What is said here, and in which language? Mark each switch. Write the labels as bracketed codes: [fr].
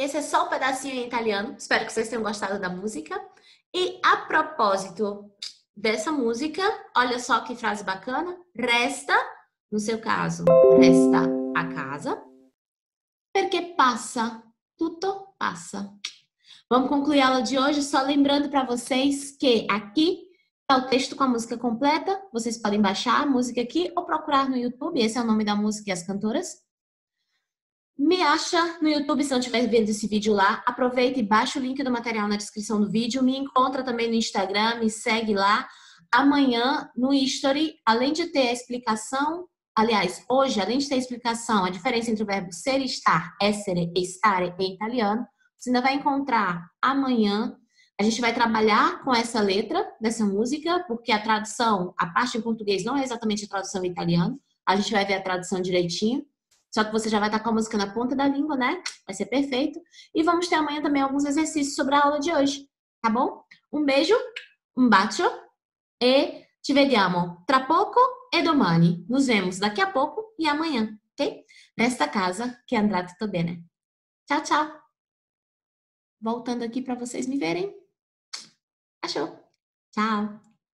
[pt] Só um pedacinho em italiano. Espero que vocês tenham gostado da música. E a propósito dessa música, olha só que frase bacana. Resta, no seu caso, resta a casa. [it] Perché passa, tutto passa. [pt] Vamos concluir a aula de hoje só lembrando para vocês que aqui está o texto com a música completa. Vocês podem baixar a música aqui ou procurar no YouTube. Esse é o nome da música e as cantoras. Me acha no YouTube se não estiver vendo esse vídeo lá. Aproveita e baixa o link do material na descrição do vídeo. Me encontra também no Instagram, me segue lá. Amanhã, no History, além de ter a explicação... Aliás, hoje, além de ter a explicação, a diferença entre o verbo ser, estar, essere, estare em italiano, você ainda vai encontrar amanhã. A gente vai trabalhar com essa letra dessa música, porque a tradução, a parte em português não é exatamente a tradução em italiano. A gente vai ver a tradução direitinho. Só que você já vai estar com a música na ponta da língua, né? Vai ser perfeito. E vamos ter amanhã também alguns exercícios sobre a aula de hoje. Tá bom? Um beijo, um [it] bacio e ci vediamo tra poco e domani. [pt] Nos vemos daqui a pouco e amanhã, ok? Nesta casa que [it] andrà tutto bene. [pt] Tchau, tchau. Voltando aqui para vocês me verem. Achou? Tchau.